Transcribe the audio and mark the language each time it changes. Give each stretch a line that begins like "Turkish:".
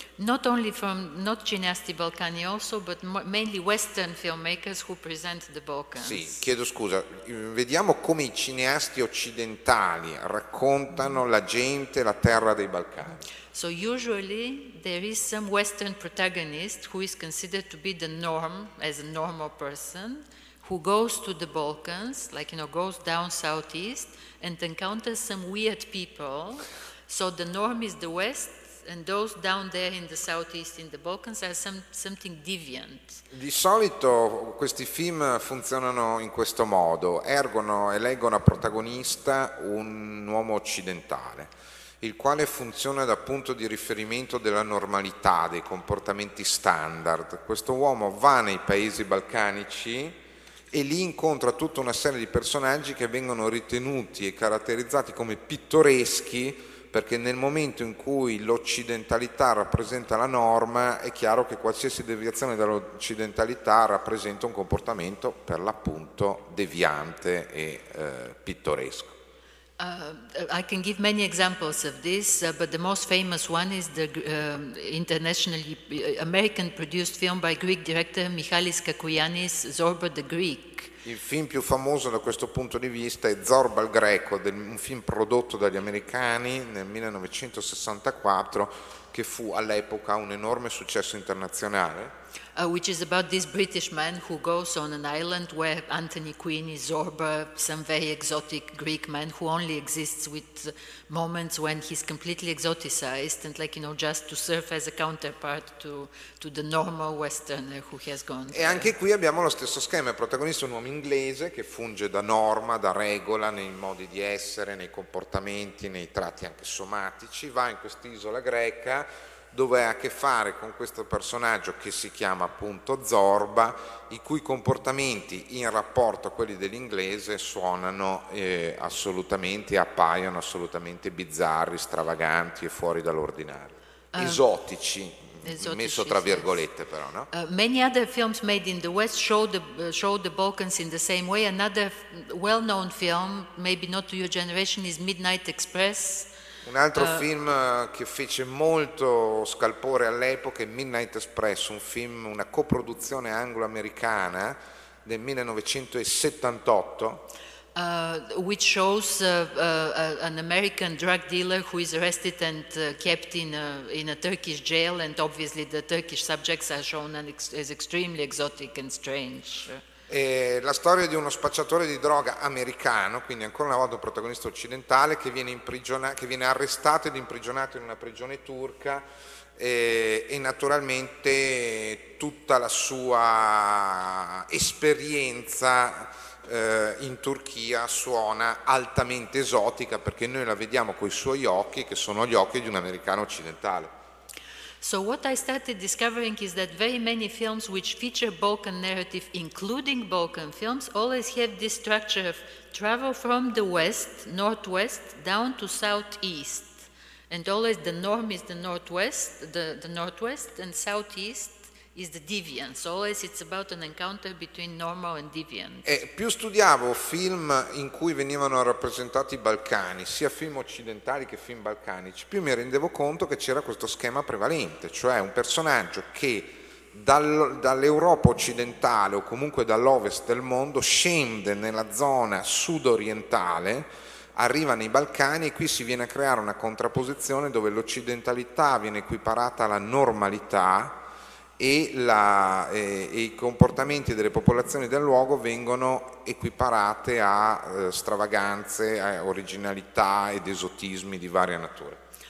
English: Not only from not
Italian: cineasti balcani
English: also, but mainly Western filmmakers who present the Balkans.
Italian: Sì, chiedo scusa. Vediamo come i cineasti occidentali raccontano la gente, la terra dei Balcani.
English: So usually there is some Western protagonist who is considered to be the norm, as a normal person, who goes to the Balkans, like, you know, goes down southeast and encounters some weird people. So the norm is the West, and those down there in the southeast in the Balkans are something deviant.
Italian: Di solito questi film funzionano in questo modo, ergono e leggono a protagonista un uomo occidentale, il quale funziona da punto di riferimento della normalità, dei comportamenti standard. Questo uomo va nei paesi balcanici e lì incontra tutta una serie di personaggi che vengono ritenuti e caratterizzati come pittoreschi, perché nel momento in cui l'occidentalità rappresenta la norma, è chiaro che qualsiasi deviazione dall'occidentalità rappresenta un comportamento per l'appunto deviante e pittoresco.
English: I can give many examples of this, but the most famous one is the internationally American produced film by Greek director Michalis Kakouyanis, Zorba the Greek.
Italian: Il film più famoso da questo punto di vista è Zorba il Greco, un film prodotto dagli americani nel 1964, che fu all'epoca un enorme successo internazionale.
English: Which is about this British man who goes on an island where Anthony Quinn is Zorba, some very exotic Greek man who only exists with moments when he's completely exoticized and, like, you know, just to serve as a counterpart to the normal Westerner who has gone.
Italian: E anche qui abbiamo lo stesso schema: il protagonista è un uomo inglese che funge da norma, da regola nei modi di essere, nei comportamenti, nei tratti anche somatici, va in quest'isola greca dove ha a che fare con questo personaggio che si chiama appunto Zorba, i cui comportamenti in rapporto a quelli dell'inglese suonano assolutamente, appaiono assolutamente bizzarri, stravaganti e fuori dall'ordinario, esotici. Messo tra virgolette, però, no?
English: Many other films made in the West show the Balkans in the same way. Another well-known film, maybe not to your generation, is Midnight Express.
Italian: Un altro film che fece molto scalpore all'epoca è Midnight Express, un film, una coproduzione anglo-americana del 1978.
English: Which shows an American drug dealer who is arrested and kept in a Turkish jail, and obviously the Turkish subjects are shown as extremely exotic and strange.
Italian: La storia di uno spacciatore di droga americano, quindi ancora una volta un protagonista occidentale, che viene arrestato ed imprigionato in una prigione turca, e naturalmente tutta la sua esperienza in Turchia suona altamente esotica, perché noi la vediamo coi suoi occhi, che sono gli occhi di un americano occidentale.
English: So what I started discovering is that very many films which feature Balkan narrative, including Balkan films, always have this structure of travel from the west, northwest, down to southeast, And always the norm is the northwest, the northwest and southeast is the deviance. Always it's about an encounter between normal and deviant.
Italian: E più studiavo film in cui venivano rappresentati i Balcani, sia film occidentali che film balcanici, più mi rendevo conto che c'era questo schema prevalente, cioè un personaggio che dall'Europa occidentale o comunque dall'ovest del mondo scende nella zona sud-orientale, arriva nei Balcani e qui si viene a creare una contrapposizione dove l'occidentalità viene equiparata alla normalità e i comportamenti delle popolazioni del luogo vengono equiparate a stravaganze, a originalità ed esotismi di varia natura.